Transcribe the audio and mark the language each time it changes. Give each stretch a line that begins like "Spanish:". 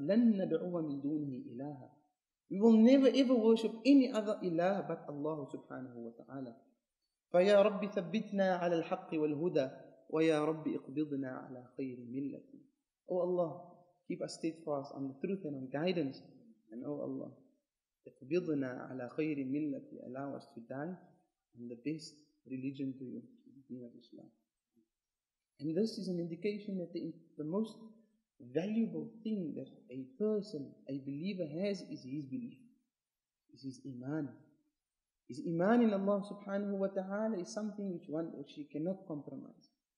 Arabic: لَن نَدْعُوَ مِنْ دُونِهِ إِلَهَ.
English: We will never ever worship any other ilah but Allah subhanahu wa ta'ala.
Arabic: فَيَا رَبِّ ثَبِّتْنَا عَلَى الْحَقِّ وَالْهُدَى وَيَا رَبِّ اِقْبِضْنَا عَلَى خَيْرِ مِلَّةٍ.
English: Oh Allah, keep us steadfast on the truth and on guidance. And oh Allah,
Arabic: اِقْبِضْنَا عَلَى خَيْرِ مِلَّةٍ.
English: Allow us to die on the best religion to you, to the deen of Islam. And this is an indication that the most valuable thing that a person, a believer has is his belief, is his iman. His iman in Allah subhanahu wa ta'ala is something which one or she cannot compromise.